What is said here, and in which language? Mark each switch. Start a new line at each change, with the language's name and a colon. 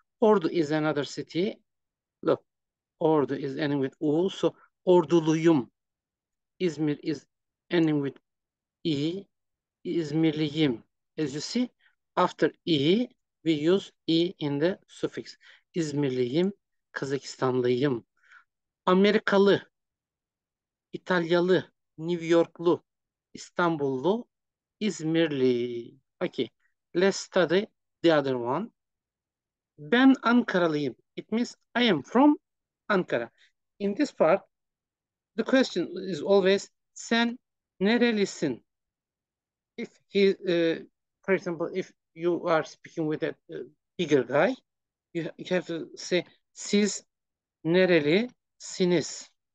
English: Ordu is another city. Look, Ordu is ending with u. So, Orduluyum. İzmir is ending with i. İzmirliyim. As you see, after i, we use i in the suffix.
Turkish: İzmirliyim, Kazakistanlıyım. Amerikalı, İtalyalı, New Yorklu, İstanbullu, İzmirli.
English: Okay, let's study the other one.
Turkish: Ben Ankaralıyım.
English: It means I am from Ankara. In this part, the question is always,
Turkish: sen nerelisin?
English: If for example, if you are speaking with a bigger guy, you have to say,
Turkish: siz nerelisiniz?